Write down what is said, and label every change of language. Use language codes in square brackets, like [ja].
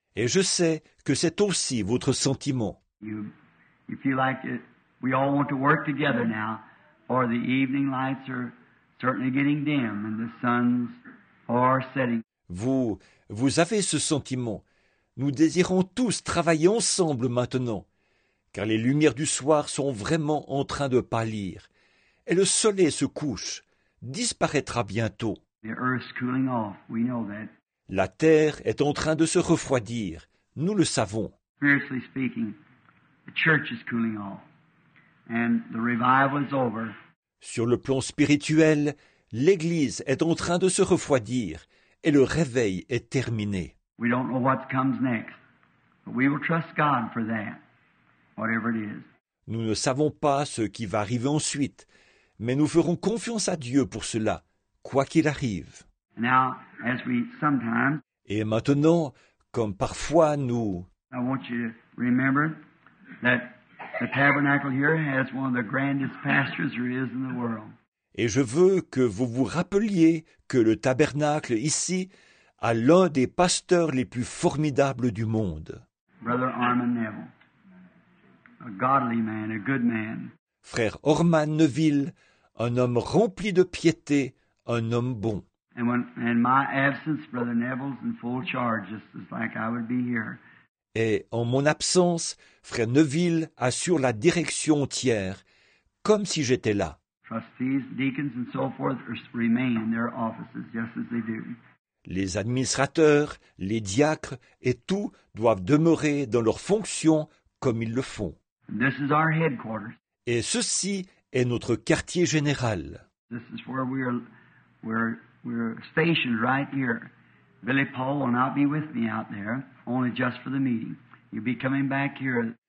[fr] Et je sais que c'est aussi votre sentiment. [en] You feel like it, we all want to work together now, or the evening lights are certainly getting dim and the sun's far setting. [fr] Vous avez ce sentiment. Nous désirons tous travailler ensemble maintenant, car les lumières du soir sont vraiment en train de pâlir. Et le soleil se couche, disparaîtra bientôt. [en] The earth's cooling off, we know that. [fr] La terre est en train de se refroidir, nous le savons. [en] Spiritually speaking, the church is cooling off and the revival is over. [fr] Sur le plan spirituel, l'Église est en train de se refroidir et le réveil est terminé. [en] We don't know what comes next, but we will trust God for that, whatever it is. [fr] Nous ne savons pas ce qui va arriver ensuite, mais nous ferons confiance à Dieu pour cela, quoi qu'il arrive. [en] Now, as we sometimes, [fr] et maintenant, comme parfois nous, [en] I want you to remember that the tabernacle here has one of the grandest pastors there is in the world. [fr] Et je veux que vous vous rappeliez que le tabernacle ici a l'un des pasteurs les plus formidables du monde. [en] Brother Armand Neville, a godly man, a good man. [fr] Frère Orman Neville, un homme rempli de piété, un homme bon. [en] And my absence, Brother Neville's in full charge, just like I would be here. [fr] Et en mon absence, Frère Neville assure la direction entière, comme si j'étais là. [en] Trustees, deacons, and so forth remain in their offices just as they do. [fr] Les administrateurs, les diacres et tout doivent demeurer dans leurs fonctions comme ils le font. [en] This is our headquarters. [fr] Et ceci est notre quartier général. [en] This is where we're stationed right here. Billy Paul will not be with me out there, only just for the meeting. You'll be coming back here.